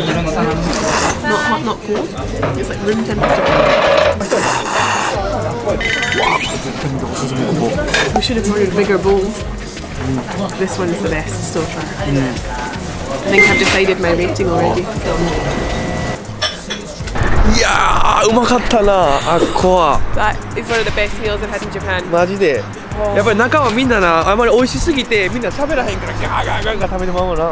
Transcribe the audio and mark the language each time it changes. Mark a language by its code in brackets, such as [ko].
[en] It's like room temperature. Wow. We should have ordered bigger bowls. This one is the best so far. I think I've decided my rating already. [ja] Yeah, うまかったな。あ、怖。 [en] That is one of the best meals I've had in Japan. [ja] マジで。やっぱり中はみんなな、あまり美味しすぎてみんな喋らへんからガーガーガーガー食べてまうな。